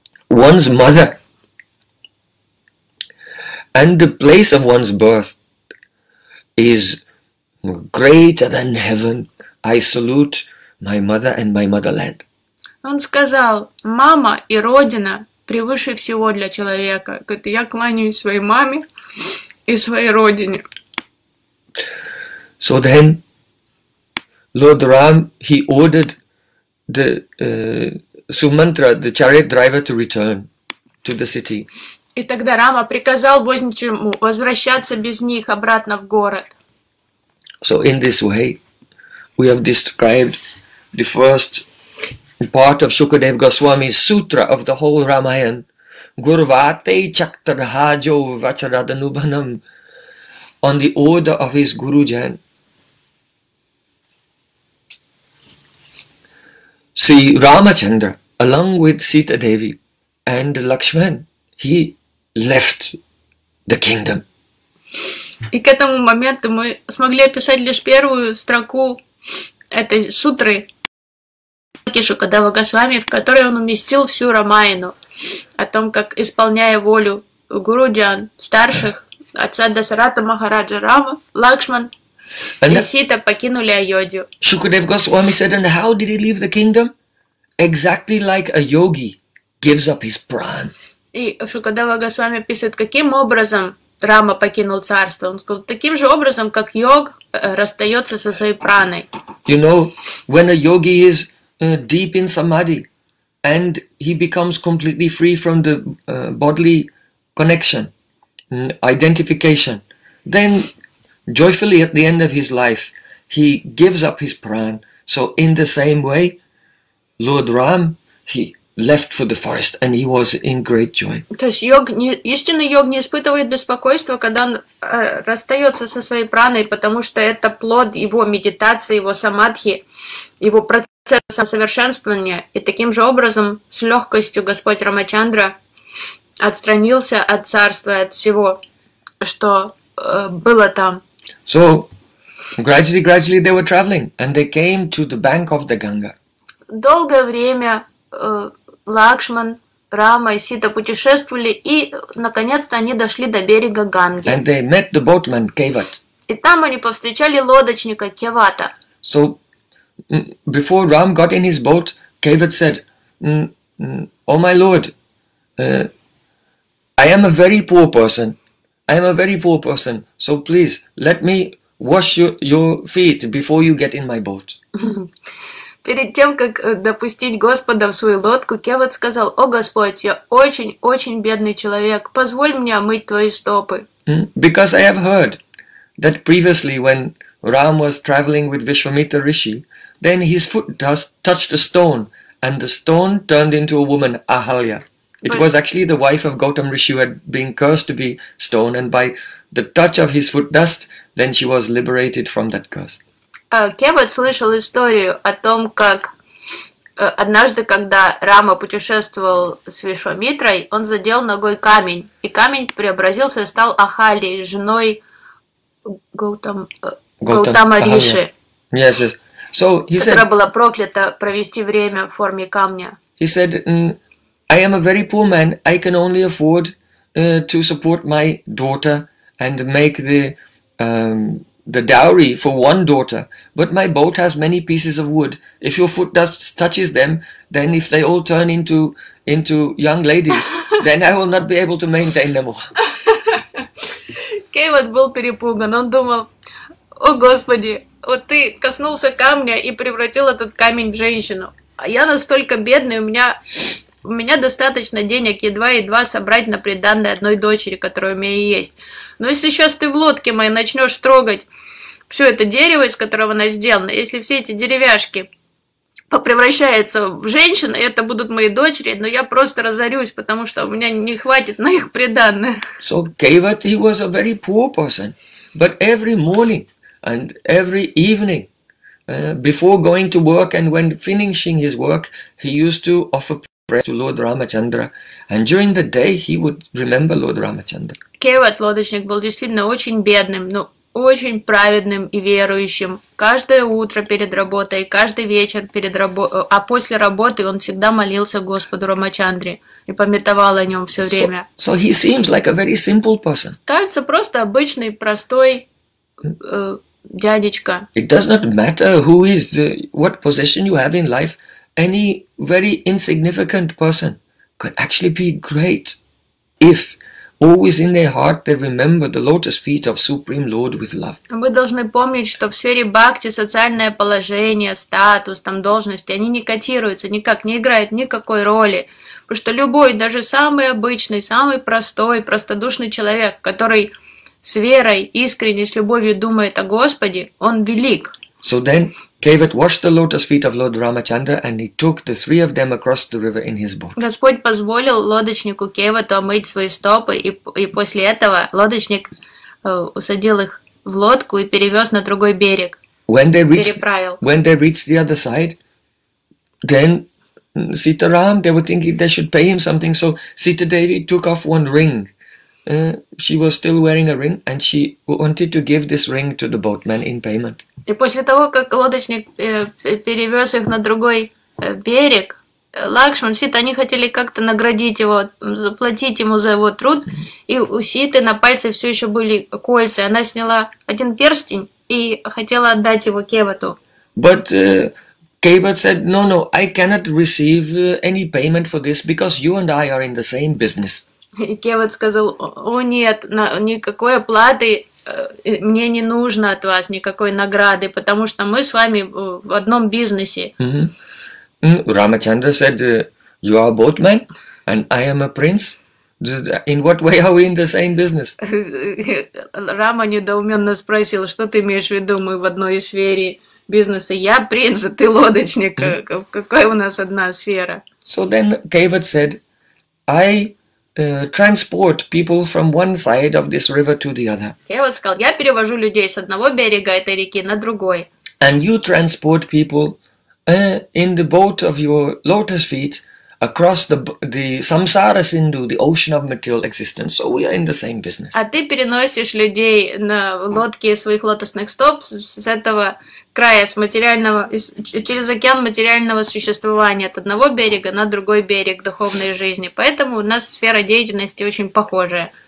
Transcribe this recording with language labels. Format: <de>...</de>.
<en>One's mother and the place of one's birth is greater than heaven. I salute my mother and my motherland.</en> <ru>Он сказал, мама и родина превыше всего для человека. Говорит, я кланяюсь своей маме и своей родине.</ru> <en>So then, Lord Ram, he ordered the Sumantra, the chariot driver, to return to the city.</en> <ru>И тогда Рама приказал возничему возвращаться без них обратно в город.</ru> <en>So in this way, we have described the first part of Shukadev Goswami's sutra of the whole Ramayana.</en> <sa>Gurvate chaktarhajo vacharadanubhanam.</sa> <en>On the order of his Gurujan. See, Ramachandra, along with Sita Devi and Lakshman, he left the kingdom.</en> <ru>И к этому моменту мы смогли описать лишь первую строку этой сутры Шукадева Госвами, в которой он уместил всю Рамаяну о том, как, исполняя волю Гуруджан, старших, отца Дасаратха Махараджа Рама, Лакшман and и Сита покинули Айодию.</ru> <en>Шукадев Госвами said, and how did he leave the kingdom? Exactly like a yogi gives up his pran.</en> <ru>И Шукадева Госвами пишет, каким образом Рама покинул царство. Он сказал, таким же образом, как йог расстается со своей праной.</ru> <en>You know, when a yogi is deep in samadhi and he becomes completely free from the bodily connection, identification. Then, joyfully at the end of his life, he gives up his pran. So in the same way, Lord Ram, he left for the forest and he was in great joy.</en> <ru>То есть йог, истинный йог не испытывает беспокойства, когда он расстается со своей праной, потому что это плод его медитации, его самадхи, его процесса совершенствования. И таким же образом, с легкостью Господь Рамачандра отстранился от царства, от всего, что было там.</ru> <en>So, gradually they were traveling and they came to the bank of the Ganga.</en> <ru>Долгое время Лакшман, Рама и Сита путешествовали и наконец-то они дошли до берега Ганги.</ru> <en>And they met the boatman Kevat.</en> <ru>И там они повстречали лодочника Кевата.</ru> <en>So, before Ram got in his boat, Kevat said, "Oh my lord, I am a very poor person. I am a very poor person. So please let me wash your feet before you get in my boat."</en> <ru>Перед тем, как допустить Господа в свою лодку, Кевад сказал, «О Господь, я очень-очень бедный человек, позволь мне омыть твои стопы».</ru> <en>Because I have heard that previously when Ram was traveling with Vishwamitra Rishi, then his foot touched a stone, and the stone turned into a woman, Ahalya. It was actually the wife of Gautam Rishi who had been cursed to be stone, and by the touch of his foot dust, then she was liberated from that curse.</en> <ru>Кевад слышал историю о том, как однажды, когда Рама путешествовал с Вишвамитрой, он задел ногой камень, и камень преобразился и стал Ахалей, женой Гаутама Риши,</ru> <en>yes, yes. So he</en> <ru>которая</ru> <en>said,</en> <ru>была проклята провести время в форме камня.</ru> <en>He said, I am a very poor man, I can only afford to support my daughter and make the dowry for one daughter, but my boat has many pieces of wood. If your foot dust touches them, then if they all turn into young ladies, then I will not be able to maintain them all.</en> <ru>Кевад был перепуган. Он думал, о Господи, вот ты коснулся камня и превратил этот камень в женщину. А я настолько бедный, у меня достаточно денег едва-едва собрать на приданное одной дочери, которая у меня есть. Но если сейчас ты в лодке моей начнешь трогать все это дерево, из которого она сделана, если все эти деревяшки превращаются в женщин, это будут мои дочери, но я просто разорюсь, потому что у меня не хватит на их приданное.</ru> <en>So Kevat, he was a very poor person, but every morning and every evening, before going to work and when finishing his work, he used to offer prayer to Lord Ramachandra, and during the day he would remember Lord Ramachandra.</en> <ru>Кевад, лодочник, был действительно очень бедным, но очень праведным и верующим. Каждое утро перед работой, каждый вечер перед работой, а после работы он всегда молился Господу Рамачандре и памятовал о нем все время.</ru> <en>So he seems like a very simple person.</en> <ru>Кажется, просто обычный, простой дядечка.</ru> <en>It does not matter who is the, what position you have in life, any very insignificant person could actually be great if always in their heart they remember the lotus feet of Supreme Lord with love.</en> <ru>Мы должны помнить, что в сфере бхакти социальное положение, статус, там должности, они не котируются, никак не играют никакой роли. Потому что любой, даже самый обычный, самый простой, простодушный человек, который с верой, искренне, с любовью думает о Господе, он велик.</ru> <en>So then, Kevat washed the lotus feet of Lord Ramachandra and he took the three of them across the river in his boat.</en> <ru>Господь позволил лодочнику Кевату омыть свои стопы, и после этого лодочник усадил их в лодку и перевез на другой берег.</ru> <en>When they reached the other side, then Sita Ram, they were thinking they should pay him something, so Sita Devi took off one ring. She was still wearing a ring and she wanted to give this ring to the boatman in payment.</en> <ru>И после того, как лодочник перевез их на другой берег, Лакшман, Сита, они хотели как-то наградить его, заплатить ему за его труд, и у Ситы на пальце все еще были кольца. Она сняла один перстень и хотела отдать его Кевату.</ru> <en>But Kevat said, no, I cannot receive any payment for this because you and I are in the same business.</en> <ru>И Кевад сказал, о нет, никакой оплаты мне не нужно от вас, никакой награды, потому что мы с вами в одном бизнесе.</ru> <en>Рамачандра said, you are a boatman and I am a prince, In what way are we in the same business?</en> <ru>Рама недоуменно спросил, что ты имеешь в виду, мы в одной сфере бизнеса. Я принц, а ты лодочник. Какая у нас одна сфера?</ru> <en>So then Kevat said, I transport people from one side of this river to the other.</en> <ru>Kevat сказал, я перевожу людей с одного берега этой реки на другой.</ru> <en>And you transport people in the boat of your lotus feet across the samsara sindhu, the ocean of material existence. So we are in the same business.</en> <ru>А ты переносишь людей на лодке своих лотосных стоп с этого края, с материального, через океан материального существования, от одного берега на другой берег духовной жизни. Поэтому у нас сфера деятельности очень похожая.</ru>